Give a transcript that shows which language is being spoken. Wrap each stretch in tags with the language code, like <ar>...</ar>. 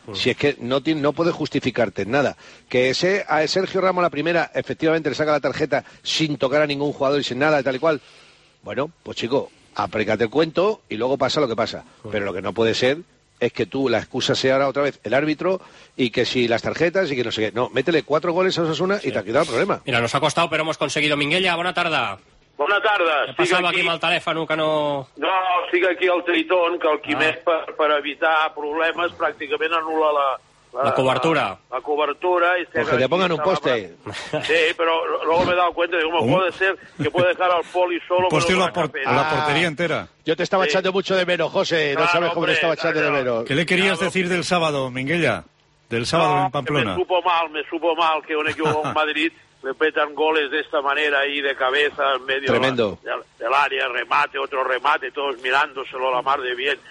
<es>Si es que no puedes justificarte en nada. Que ese a Sergio Ramos la primera, efectivamente le saca la tarjeta sin tocar a ningún jugador y sin nada y tal y cual. Bueno, pues chico, aplícate el cuento y luego pasa lo que pasa. Pero lo que no puede ser... es que tú la excusa sea ahora otra vez el árbitro y que si las tarjetas y que no sé qué. No, métele cuatro goles a Osasuna y te ha quitado el problema. Mira, nos ha costado, pero hemos conseguido. Minguella, buena tarde.</es> <ca>Bona tarda. Estic passava aquí amb el telèfon, que no... No, estic aquí al Triton, que el Quimet, per evitar problemes, pràcticament anul·la la... La cobertura. La cobertura.</ca> <es>Pues que te pongan un poste. Sí, pero luego me he dado cuenta, digo, puede ser que puede dejar al poli solo. Pues tiene la portería entera. Yo te estaba echando mucho de menos, José. Claro, no sabes cómo te estaba echando de menos. ¿Qué le querías decir del sábado, Minguella? Del sábado en Pamplona. Me supo mal que un equipo en Madrid le petan goles de esta manera ahí de cabeza en medio del área, remate, otro remate, todos mirándoselo la mar de bien.</es>